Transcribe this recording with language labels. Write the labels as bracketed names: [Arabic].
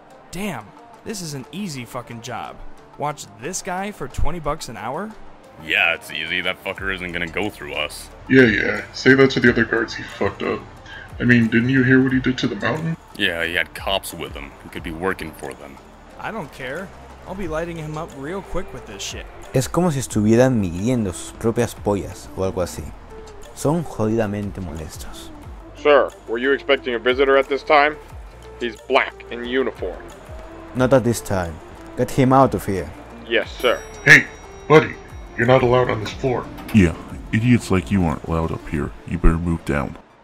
[English] Damn, this is an easy fucking job. Watch this guy for 20 bucks an hour? Yeah, it's easy. That fucker isn't gonna go through us. Yeah, yeah. Say that to the other guards, he fucked up. I mean, didn't you hear what he did to the mountain? Yeah, he had cops with him. He could be working for them. I don't care. I'll be lighting him up real quick with this shit. [Spanish] Es como si estuvieran midiendo sus propias pollas o algo así. Son jodidamente molestos. [English] Sir, were you expecting a visitor at this time? He's black in uniform. Not at this time. Get him out of here. Yes, sir. Hey, buddy, you're not allowed on this floor. Yeah, idiots like you aren't allowed up here. You better move down.